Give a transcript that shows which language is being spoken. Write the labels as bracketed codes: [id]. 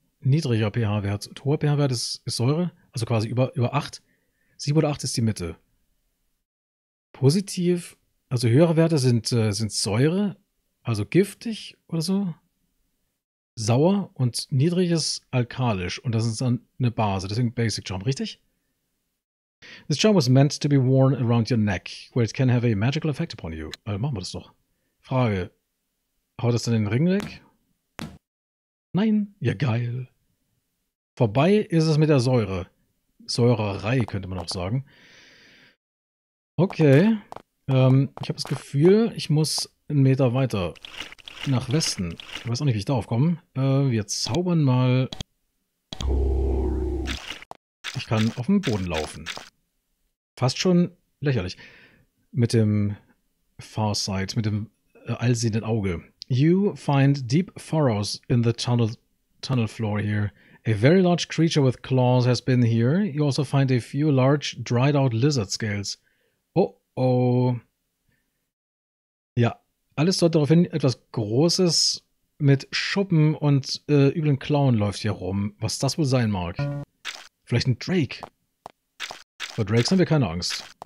[de] Niedriger pH-Wert und hoher pH-Wert ist Säure, also quasi über 8. 7 oder 8 ist die Mitte. Positiv, also höhere Werte sind Säure, also giftig oder so. Sauer und niedriges alkalisch. Und das ist dann eine Base. Deswegen Basic Charm, richtig? [en] This charm was meant to be worn around your neck, where it can have a magical effect upon you. [de] Also machen wir das doch. Frage. Haut das dann den Ring weg? Nein. Ja, geil. Vorbei ist es mit der Säure. Säurerei, könnte man auch sagen. Okay. Ich habe das Gefühl, ich muss einen Meter weiter nach Westen. Ich weiß auch nicht, wie ich darauf komme. Wir zaubern mal. Ich kann auf dem Boden laufen. Fast schon lächerlich. Mit dem Farsight, mit dem allsehenden Auge. [en] You find deep furrows in the tunnel floor here. A very large creature with claws has been here. You also find a few large dried out lizard scales. [de] Oh oh. Ja. Alles deutet darauf hin, etwas Großes mit Schuppen und üblen Klauen läuft hier rum. Was das wohl sein mag? Vielleicht ein Drake? Vor Drakes haben wir keine Angst.